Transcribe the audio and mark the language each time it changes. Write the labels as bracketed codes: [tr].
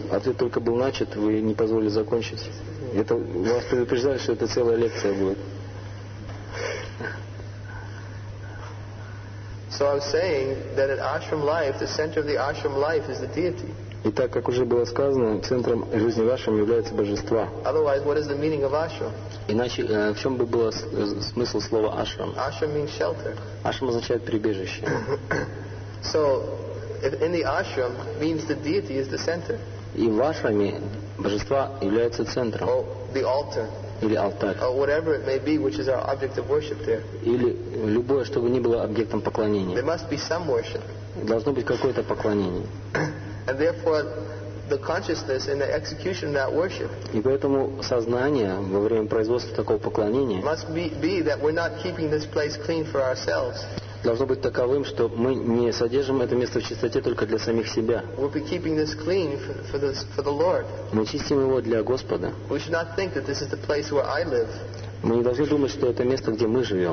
[ru] Ответ только был начат, вы не позволили закончить. Это вас предупреждали, что это целая лекция будет. [en] So I'm saying that in ashram life, the center of the ashram life is the deity. [ru] Итак, как уже было сказано, центром жизни в ашраме является божество. [en] Otherwise, what is the meaning of ashram? [ru] Иначе, в чем бы был смысл слова ашрам? [en] Ashram means shelter. [ru] Ашрам означает прибежище. [en] So, in the ashram means the deity is the center. [ru] И в ашраме божество является центром. [en] Oh, the altar. [ru] Или алтарь. [en] Or whatever it may be, which is our object of worship there. [ru] Или любое, что бы ни было объектом поклонения. [en] There must be some worship. [ru] Должно быть какое-то поклонение. [en] And therefore, the consciousness in the execution of that worship. [ru] И поэтому сознание во время производства такого поклонения [en] must be that we're not keeping this place clean for ourselves. [ru] должно быть таковым, что мы не содержим это место в чистоте только для самих себя. [en] We'll be keeping this clean for the Lord. [ru] Мы чистим его для Господа. [en] We should not think that this is the place where I live. [ru] Мы не должны думать, что это место, где мы живем.